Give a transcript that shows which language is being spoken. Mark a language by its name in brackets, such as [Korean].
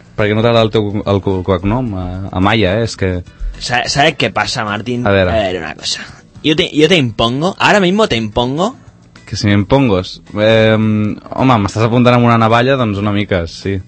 [Catalan] Perquè no t'agrada el teu cognom, Amaya, eh? És que... [Spanish] ¿Sabes qué pasa, Martín? A ver una cosa. Yo te impongo, ahora mismo te impongo... [Catalan] Que si m'impongos... Home, m'estàs apuntant amb una navalla, doncs una mica, sí.